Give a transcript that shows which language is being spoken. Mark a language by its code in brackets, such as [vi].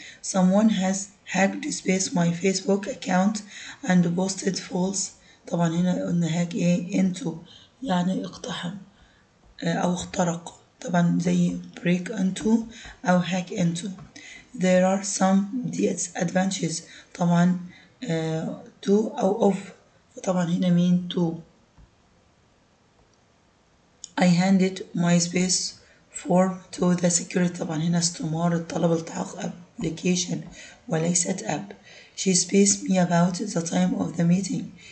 [en] Someone has hacked space my Facebook account and posted false. [ar] طبعا هنا قلنا هاك إيه into يعني اقتحم أو اخترق. طبعا زي [en] break into أو hack into. There are some disadvantages. طبعا to أو of. [ar] طبعا هنا مين to. [en] I handed my space form to the security. [ar] طبعا هنا استمارة طلب التحقق application وليست app. [en] She spaced me about the time of the meeting.